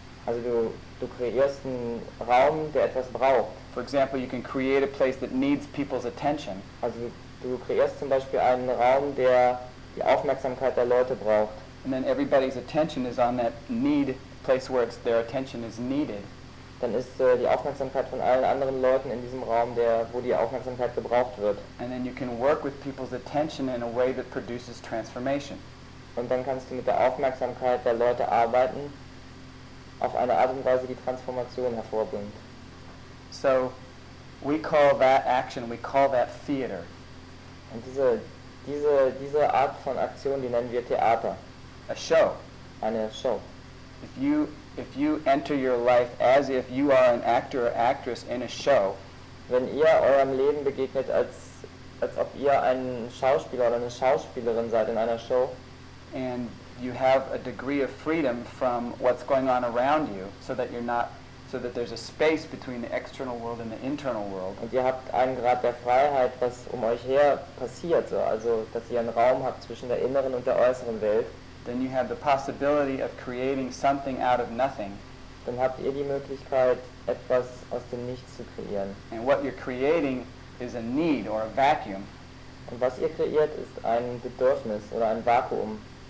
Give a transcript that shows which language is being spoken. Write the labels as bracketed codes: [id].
[de] Also du kreierst einen Raum, der etwas braucht. [en] For example, you can create a place that needs people's attention. [de] Also du kreierst zum Beispiel einen Raum, der die Aufmerksamkeit der Leute braucht. [en] And then everybody's attention is on that need place where it's their attention is needed. [de] Dann ist die Aufmerksamkeit von allen anderen Leuten in diesem Raum, wo die Aufmerksamkeit gebraucht wird. [en] And then you can work with people's attention in a way that produces transformation. [de] Und dann kannst du mit der Aufmerksamkeit der Leute arbeiten, auf eine Art und Weise, die Transformation hervorbringt. [en] So, we call that action, we call that theater. [de] Und diese Art von Aktion, die nennen wir Theater. [en] A show. [de] Eine Show. [en] If you enter your life as if you are an actor or actress in a show, [de] wenn ihr eurem Leben begegnet als ob ihr ein Schauspieler oder eine Schauspielerin seid in einer Show, [en] and you have a degree of freedom from what's going on around you, so that there's a space between the external world and the internal world. [de] Und ihr habt einen Grad der Freiheit, was um euch her passiert, so, also dass ihr einen Raum habt zwischen der inneren und der äußeren Welt. [en] Then you have the possibility of creating something out of nothing. [de] Dann habt ihr die Möglichkeit, etwas aus dem Nichts zu kreieren. [en] And what you're creating is a need or a vacuum. [de] Und was ihr kreiert, ist ein Bedürfnis oder ein Vakuum,